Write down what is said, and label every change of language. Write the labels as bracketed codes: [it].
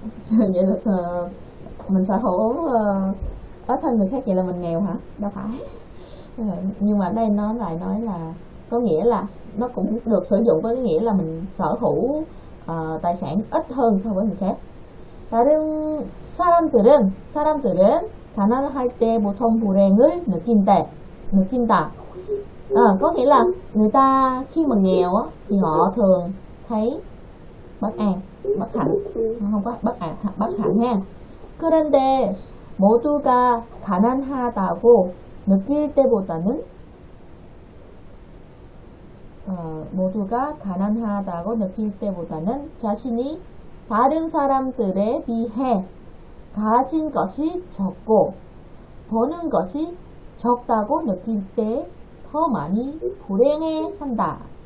[vi] Vậy là sợ mình sở hữu ít hơn người khác vậy là mình nghèo hả? Đâu phải. Nhưng mà đây nó lại nói là có nghĩa là nó cũng được sử dụng với cái nghĩa là mình sở hữu tài sản ít hơn so với người khác. [ko] 다른 사람들은 가난할 때 보통 불행을 느낀다. [vi] 느낀다. Có nghĩa là người ta khi mà nghèo á thì họ thường thấy bất an, bất hạnh. Không có bất an, bất hạnh nha. [ko] 그런데 모두가 가난하다고 느낄 때보다는 모두가 가난하다고 느낄 때보다는 자신이 다른 사람들에 비해 가진 것이 적고 버는 것이 적다고 느낄 때 더 많이 불행해한다.